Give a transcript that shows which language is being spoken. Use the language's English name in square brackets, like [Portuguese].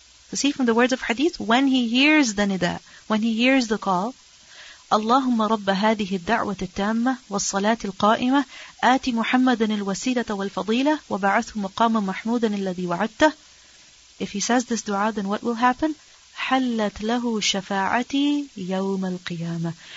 [English] So see from the words of hadith, when he hears the nida, when he hears the call, [Arabic] اللهم رب هذه الدعوة التامة والصلاة القائمة آتي محمدا الوسيلة والفضيلة وبعثه مقاما محمودا الذي وعدته. [English] If he says this dua, then what will happen? [Arabic] حلت له شفاعتي يوم القيامة.